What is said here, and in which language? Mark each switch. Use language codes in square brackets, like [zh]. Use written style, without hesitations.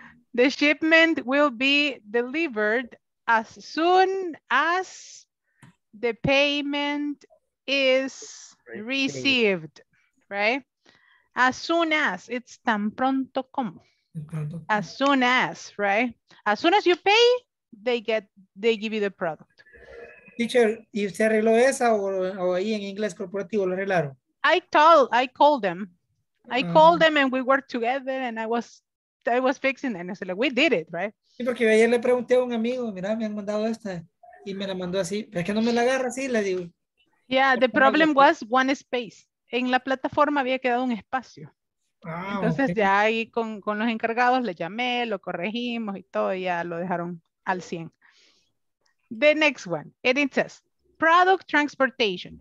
[en] The shipment will be delivered as soon as the payment is received, right? As soon as, it's [es] tan pronto como. [en] As soon as, right? As soon as you pay, they give you the product. [es] Teacher, ¿y usted arregló esa o ahí en inglés corporativo lo arreglaron? [en] I called them. I called them and we worked together and I was fixing it. And I said, like, we did it, right? [es] Sí, porque ayer le pregunté a un amigo, mira, me han mandado esta y me la mandó así. ¿Pero es que no me la agarra así? Le digo. [en] Yeah, the problem was one space. [es] En la plataforma había quedado un espacio. Entonces ya ahí con los encargados le llamé, lo corregimos y todo, ya lo dejaron al 100. [en] The next one, and it says, product transportation.